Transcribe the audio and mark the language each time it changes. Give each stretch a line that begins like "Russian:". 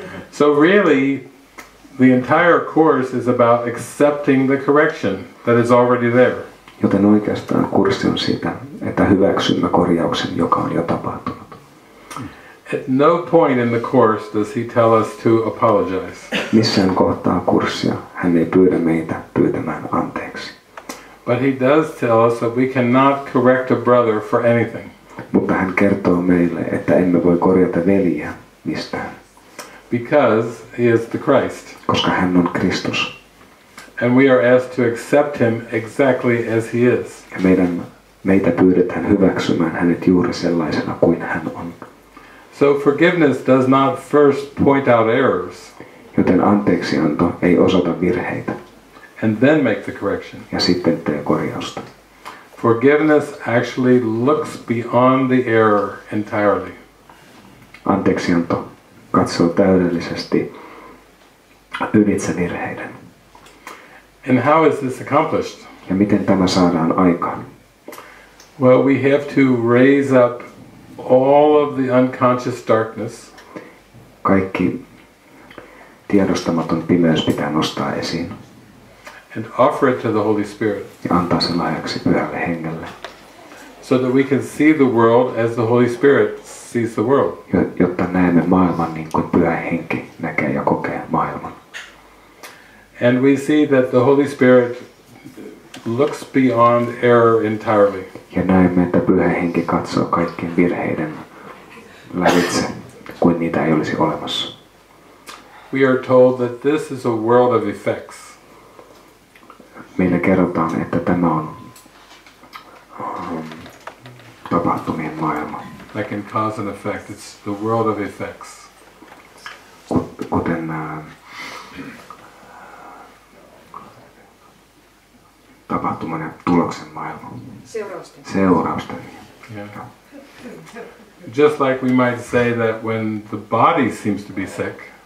English: So really, the entire course is about accepting the correction that is already there.
Finnish: Joten oikeastaan kurssi on sitä, että hyväksymme korjauksen, joka on jo tapahtunut.
English: At no point in the course does he tell us to apologize.
Finnish: Missään kohtaa kurssia hän ei pyydä meitä pyytämään anteeksi.
English: But he does tell us that we cannot correct a brother for anything.
Finnish: Mutta hän kertoo meille, että emme voi korjata veljeä mistään.
English: Because he is the Christ.
Finnish: Koska hän on Kristus.
English: And we are asked to accept him exactly as he is.
Finnish: Ja meitä pyydetään hyväksymään hänet juuri sellaisena kuin hän on.
English: So forgiveness does not first point out errors.
Finnish: Joten anteeksianto ei osoita virheitä.
English: And then make the correction.
Finnish: Ja sitten tee korjausta.
English: Forgiveness actually looks beyond the error entirely.
Finnish: Anteeksianto katsoo täydellisesti ylitse virheiden.
English: And how is this accomplished?
Finnish: Ja miten tämä saadaan aikaan?
English: Well, we have to raise up all of the unconscious darkness.
Finnish: Kaikki tiedostamaton pimeys pitää nostaa esiin.
English: And offer it to the Holy Spirit.
Finnish: Ja antaa sen lahjaksi Pyhälle Hengelle.
English: So that we can see the world as the Holy Spirit sees the world.
Finnish: Jotta näemme maailman niin kuin Pyhä Henki näkee ja kokee maailman.
English: And we see that the Holy Spirit looks beyond error entirely.
Finnish: Ja näemme, että Pyhä Henki katsoo kaikkien virheiden lävitse, kuin niitä ei olisi olemassa.
English: We are told that this is a world of effects.
Finnish: Meille kerrotaan, että tämä on tapahtumien maailma.
English: That can cause an effect. It's the world of effects.
Finnish: Kuten tapahtuman ja tuloksen maailma. Seurausten.
English: Yeah. Just like we might say that when the body seems to be sick.